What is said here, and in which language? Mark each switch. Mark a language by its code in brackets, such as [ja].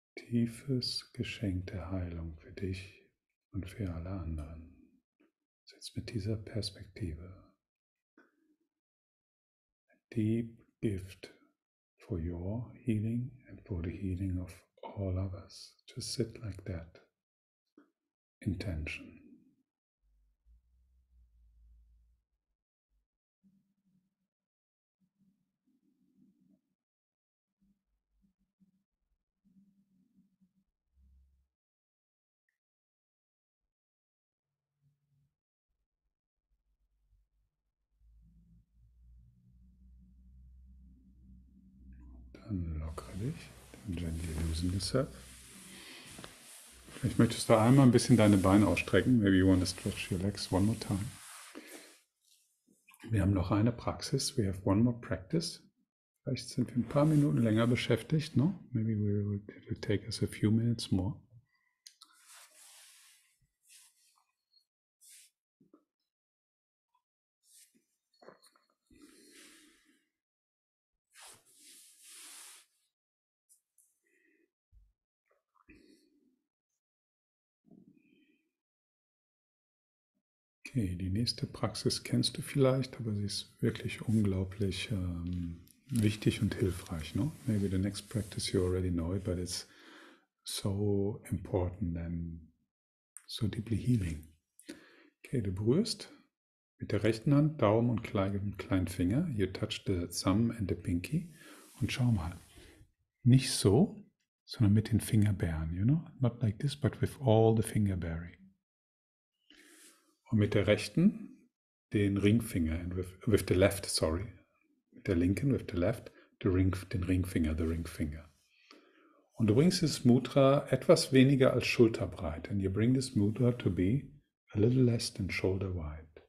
[de] Tiefes Geschenk der Heilung für dich und für alle anderen. Sitz mit dieser Perspektive. [en] A deep gift for your healing and for the healing of all of us. To sit like that. Intention. [de] Dann lockere dich, dann [en] gently loosen yourself. [de] Vielleicht möchtest du einmal ein bisschen deine Beine ausstrecken. [en] Maybe you want to stretch your legs one more time. [de] Wir haben noch eine Praxis. [en] We have one more practice. [de] Vielleicht sind wir ein paar Minuten länger beschäftigt, [en] no? Maybe it will take us a few minutes more. [de] Okay, die nächste Praxis kennst du vielleicht, aber sie ist wirklich unglaublich wichtig und hilfreich. No? [en] Maybe the next practice you already know, but it's so important and so deeply healing. [de] Okay, du berührst mit der rechten Hand Daumen und kleinen Finger. [en] You touch the thumb and the pinky. [de] Und schau mal, nicht so, sondern mit den Fingerbären. [en] You know? Not like this, but with all the fingerberry. [de] Und mit der rechten den Ringfinger, mit der linken, [en] with the left, the ringfinger. [de] Und du bringst das Mudra etwas weniger als schulterbreit. [en] And you bring this Mudra to be a little less than shoulder wide.